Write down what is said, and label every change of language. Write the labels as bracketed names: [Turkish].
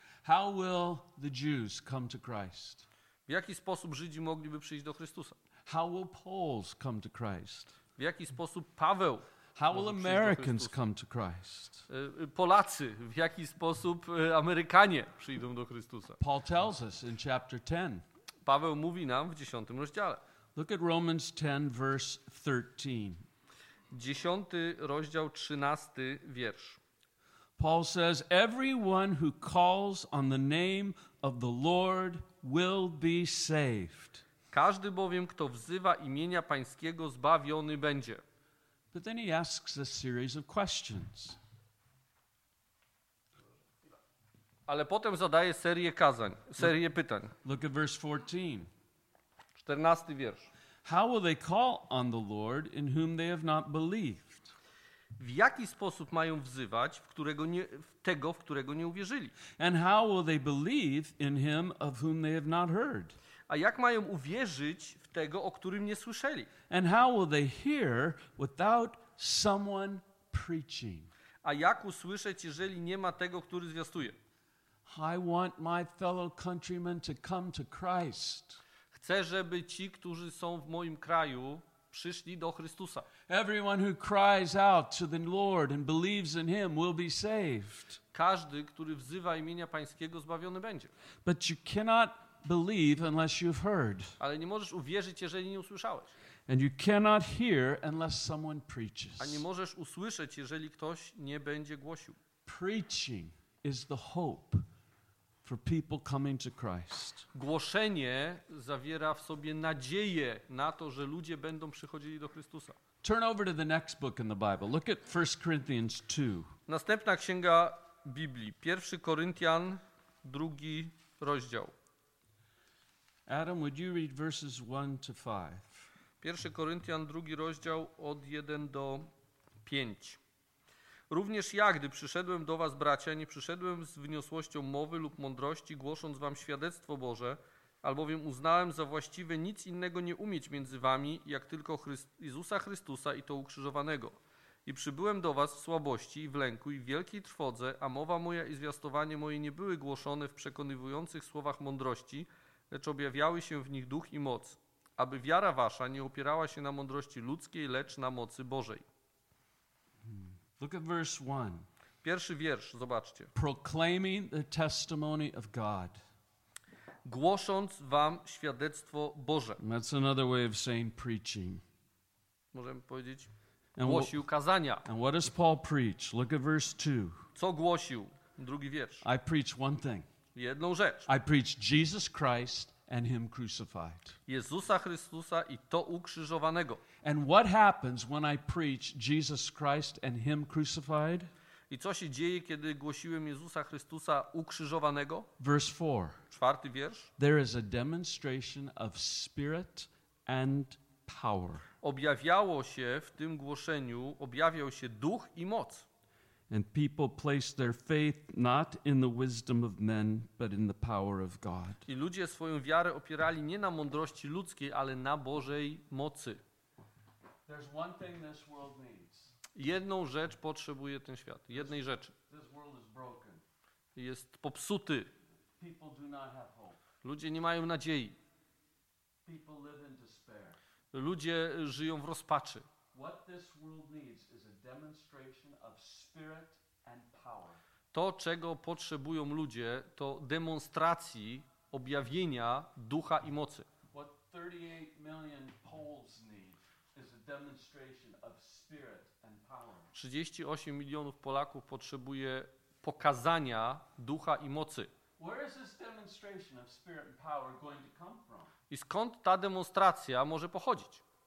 [English] How will the Jews come to Christ? [Polish] W jaki sposób Żydzi mogliby przyjść do Chrystusa? [English] How will Poles come to Christ? [Polish] W jaki sposób Paweł? [English] How will Americans come to Christ? [Polish] Polacy, w jaki sposób Amerykanie przyjdą do Chrystusa? [English] Paul tells us in chapter 10. [Polish] Paweł mówi nam w 10 rozdziale. [English] Look at Romans 10, verse 13. [Polish] 10 rozdział, 13 wiersz. [English] Paul says, everyone who calls on the name of the Lord will be saved. [Polish] Każdy bowiem, kto wzywa imienia Pańskiego, zbawiony będzie. [English] But then he asks a series of questions. [Polish] Ale potem zadaje serię kazań, serię pytań. [English] Look at verse 14. [Polish] 14 wiersz. [English] How will they call on the Lord in whom they have not believed? [Polish] W jaki sposób mają wzywać w którego nie uwierzyli? [English] And how will they believe in him of whom they have not heard? [Polish] A jak mają uwierzyć w tego, o którym nie słyszeli? [English] And how will they hear without someone preaching? [Polish] A jak usłyszeć, jeżeli nie ma tego, który zwiastuje? [English] I want my fellow countrymen to come to Christ. [Polish] Chcę, żeby ci, którzy są w moim kraju, przyszli do Chrystusa. [English] Everyone who cries out to the Lord and believes in him will be saved. [Polish] Każdy, który wzywa imienia Pańskiego, zbawiony będzie. [English] But you cannot believe unless you've heard. [Polish] Ale nie możesz uwierzyć, jeżeli nie usłyszałeś. [English] And you cannot hear unless someone preaches. [Polish] A nie możesz usłyszeć, jeżeli ktoś nie będzie głosił. [English] Preaching is the hope for people coming to Christ. [Polish] Głoszenie zawiera w sobie nadzieję na to, że ludzie będą przychodzili do Chrystusa. [English] Turn over to the next book in the Bible. Look at 1 Corinthians 2. [Polish] Następna księga Biblii. 1 Koryntian, 2 rozdział. [English] Adam, would you read verses 1 to 5? [Polish] 1 Koryntian, 2 rozdział, od 1 do 5. Również ja, gdy przyszedłem do was, bracia, nie przyszedłem z wyniosłością mowy lub mądrości, głosząc wam świadectwo Boże, albowiem uznałem za właściwe nic innego nie umieć między wami, jak tylko Jezusa Chrystusa i to ukrzyżowanego. I przybyłem do was w słabości i w lęku i w wielkiej trwodze, a mowa moja i zwiastowanie moje nie były głoszone w przekonywujących słowach mądrości, lecz objawiały się w nich duch i moc, aby wiara wasza nie opierała się na mądrości ludzkiej, lecz na mocy Bożej. [English] Look at verse 1. [Polish] Pierwszy wiersz, zobaczcie. [English] Proclaiming the testimony of God. [Polish] Głosząc wam świadectwo Boże. [English] That's another way of saying preaching. [Polish] Możemy powiedzieć, głosił kazania. [English] And what does Paul preach? Look at verse 2. [Polish] Co głosił? Drugi wiersz. [English] I preach one thing. [Polish] Jedną rzecz. [English] I preach Jesus Christ and him crucified. [Polish] Jezusa Chrystusa i to ukrzyżowanego. [English] And what happens when I preach Jesus Christ and him crucified? [Polish] I co się dzieje, kiedy głosiłem Jezusa Chrystusa ukrzyżowanego? [English] Verse 4. [Polish] Czwarty wiersz. [English] There is a demonstration of spirit and power. [Polish] Objawiało się w tym głoszeniu, objawiał się duch i moc. [English] And people place their faith not in the wisdom of men, but in the power of God. [Polish] I ludzie swoją wiarę opierali nie na mądrości ludzkiej, ale na Bożej mocy. [English] There's one thing this world needs. [Polish] Jedną rzecz potrzebuje ten świat. Jednej rzeczy. [English] This world is broken. [Polish] Jest popsuty. [English] People do not have hope. [Polish] Ludzie nie mają nadziei. [English] People live in despair. [Polish] Ludzie żyją w rozpaczy. [English] What this world needs is a demonstration of spirit and power. [Polish] To, czego potrzebują ludzie, to demonstracji objawienia ducha i mocy. [English] What 38 million Poles need is a demonstration of spirit and power. [Polish] 38 milionów Polaków potrzebuje pokazania ducha i mocy. [English] Where is this demonstration of spirit and power going to come from? [Polish] I skąd ta demonstracja może pochodzić?